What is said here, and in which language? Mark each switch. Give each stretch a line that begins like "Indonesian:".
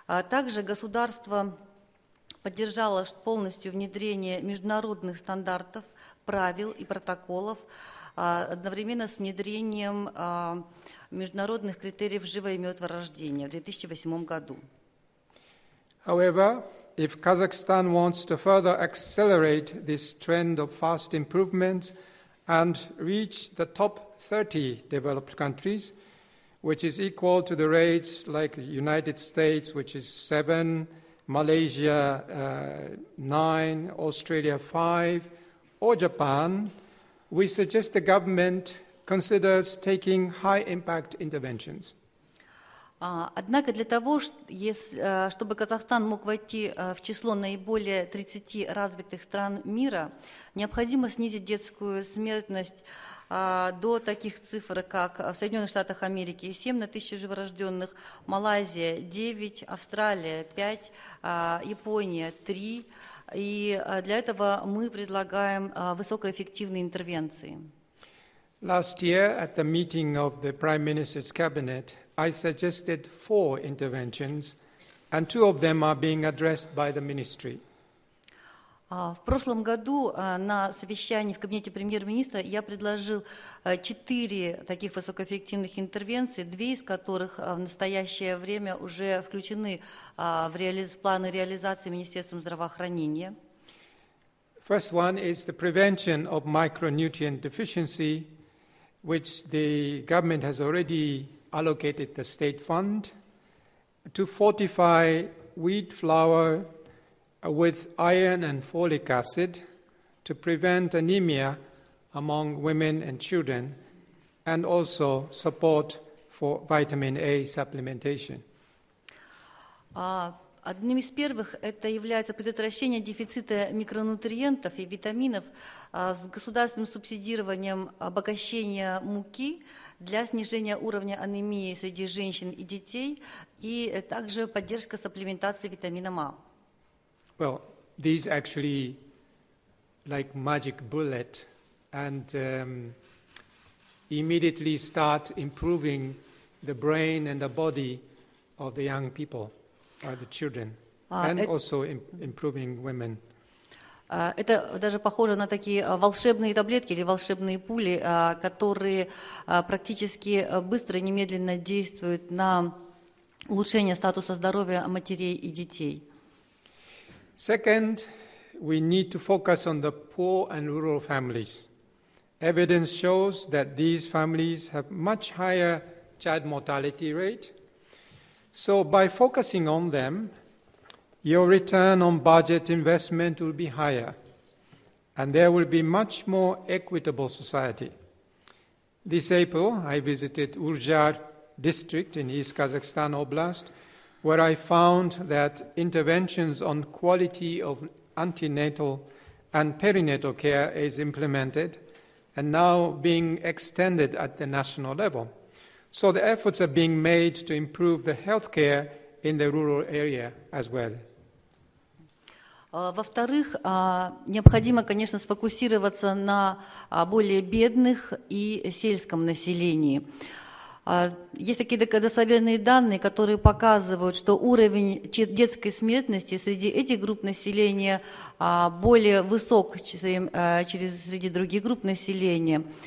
Russian: Также государство поддержало полностью внедрение международных стандартов, правил и протоколов одновременно с внедрением международных критериев живо и мертво рождения в 2008 году.
English: However, if Kazakhstan wants to further accelerate this trend of fast improvements and reach the top 30 developed countries, which is equal to the rates like the United States, which is 7, Malaysia 9, Australia 5, or Japan, we suggest the government considers taking high-impact interventions.
Russian: Однако для того, чтобы Казахстан мог войти в число наиболее 30 развитых стран мира, необходимо снизить детскую смертность до таких цифр, как в Соединенных Штатах Америки 7 на 1000 живорожденных, Малайзия 9, Австралия 5, Япония 3. И для этого мы предлагаем высокоэффективные интервенции.
English: Last year at the meeting of the Prime Minister's Cabinet, I suggested 4 interventions, and 2 of them are being addressed by the ministry.
Russian: В прошлом году на совещании в кабинете премьер-министра я предложил 4 таких высокоэффективных интервенции, 2 из которых в настоящее время уже включены в планы реализации Министерством здравоохранения.
English: First one is the prevention of micronutrient deficiency, which the government has already allocated the state fund to fortify wheat flour with iron and folic acid to prevent anemia among women and children, and also support for vitamin A supplementation.
Russian: Одним из первых это является предотвращение дефицита микронутриентов и витаминов с государственным субсидированием обогащения муки для снижения уровня анемии среди женщин и детей и также поддержка сапплементации витамином А.
English: Well, these actually like magic bullet and immediately start improving the brain and the body of the young people. Are the children and also improving women.
Russian: Это даже похоже на такие волшебные таблетки или волшебные пули, которые практически быстро и немедленно действуют на улучшение статуса здоровья матерей и детей.
English: Second, we need to focus on the poor and rural families. Evidence shows that these families have much higher child mortality rate. So by focusing on them, your return on budget investment will be higher, and there will be much more equitable society. This April, I visited Ulzhyar district in East Kazakhstan Oblast, where I found that interventions on quality of antenatal and perinatal care is implemented and now being extended at the national level. So the efforts are being made to improve the healthcare in the rural area as well.
Russian: Во-вторых, необходимо, конечно, сфокусироваться на более бедных и сельском населении. Есть такие достоверные данные, которые показывают, что уровень детской смертности среди этих групп населения более высок, чем среди других групп населения.